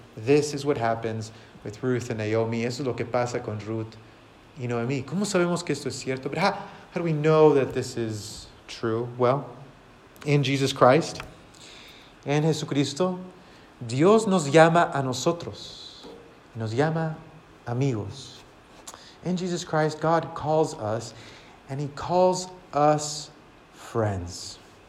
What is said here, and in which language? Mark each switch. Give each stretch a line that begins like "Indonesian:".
English: This is what happens with Ruth and Naomi.
Spanish: Eso es lo que pasa con Ruth y Noemí. ¿Cómo sabemos que esto es cierto?
English: But how do we know that this is true? Well, in Jesus Christ,
Spanish: en Jesucristo, Dios nos llama a nosotros. Nos llama amigos.
English: In Jesus Christ, God calls us, and He calls us friends.